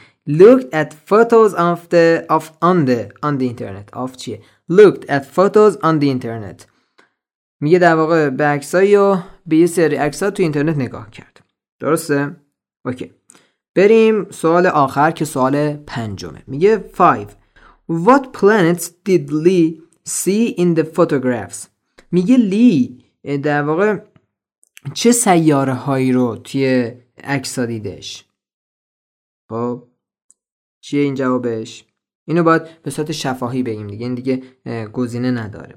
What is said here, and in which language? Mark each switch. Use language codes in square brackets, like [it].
[en] Looked at photos on the internet. Of چیه؟ Looked at photos on the internet. [fa] میگه در واقع به عکسایی و به یه سری عکسا تو اینترنت نگاه کرد. درسته؟ اوکی. بریم سوال آخر که سوال پنجمه. میگه 5. [en] What planets did Lee see in the photographs? [fa] میگه لی در واقع چه سیاره هایی رو توی عکس ها دیدش؟ خب چیه این جوابش؟ اینو باید به صورت شفاهی بگیم دیگه. این دیگه گزینه نداره.